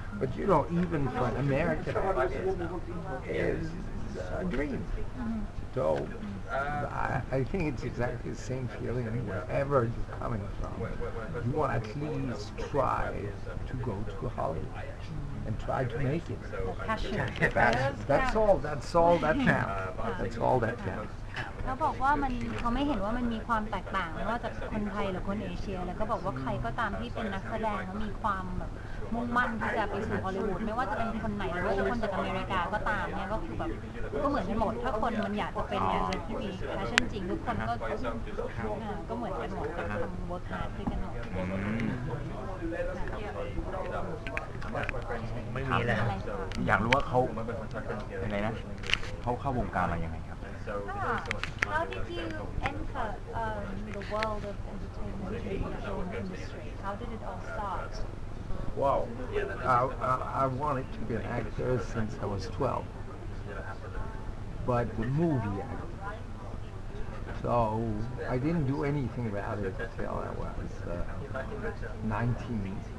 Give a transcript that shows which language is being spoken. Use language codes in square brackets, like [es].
[en] But you know, even for an American artist, is a dream. So I think it's exactly the same feeling wherever you're coming from. You want to at least try to go to Hollywood and try to make it. That's all that counts. [th] เขาบอกว่ามันเขาไม่เห็นว่ามันมีความแตกต่างไม่ว่าจะคนไทยหรือคนเอเชียแล้วก็บอกว่าใครก็ตามที่เป็นนักแสดงแล้วมีความแบบมุ่งมั่นที่จะไปสู่ฮอลลีวูดไม่ว่าจะเป็นคนไหนหรือว่าจะคนจากอเมริกาก็ตามเนี่ยก็คือแบบก็เหมือนกันหมดถ้าคนมันอยากจะเป็นเนี่ยที่มีแพชชั่นจริงทุกคนก็เหมือนกันหมดทำบทฮาร์ดด้วยกันหมด ไม่มีแล้ว อยากรู้ว่าเขาเป็นไงนะเขาเข้าวงการมายังไงครับ [en] How did you enter the world of entertainment in the film industry? How did it all start? Well, I wanted to be an actor since I was 12. But the movie actor. So I didn't do anything about it until I was 19.